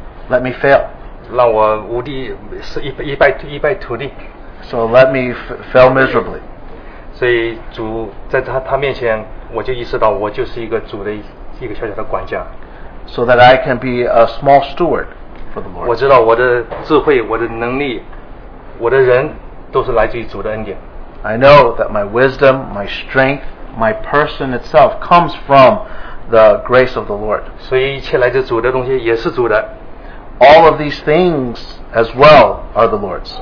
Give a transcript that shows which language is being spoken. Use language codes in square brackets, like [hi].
[en] let me fail, [zh] 让我无地, 一败涂地, [en] so let me fail miserably. [zh] 所以主在他面前, 我就意识到我就是一个主的一个小小的管家, [en] so that I can be a small steward for the Lord. [zh] 我知道我的智慧, 我的能力, 我的人都是来自于主的恩典。 [en] I know that my wisdom, my strength, my person itself comes from the grace of the Lord. [zh] 所以一切来自主的东西也是主的。 [en] All of these things as well are the Lord's.